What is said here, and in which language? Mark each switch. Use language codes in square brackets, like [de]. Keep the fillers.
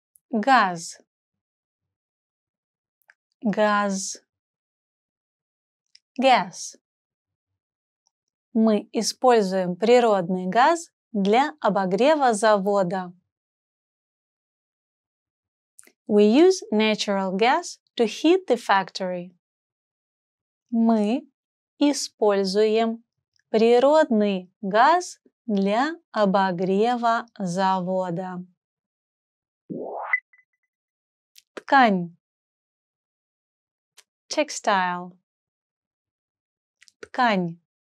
[ru] Газ. Газ. Газ. Газ. Мы используем природный газ для обогрева завода. [en] We use natural gas to heat the factory. [ru] Мы используем природный газ для обогрева завода. Ткань. Textile ткань.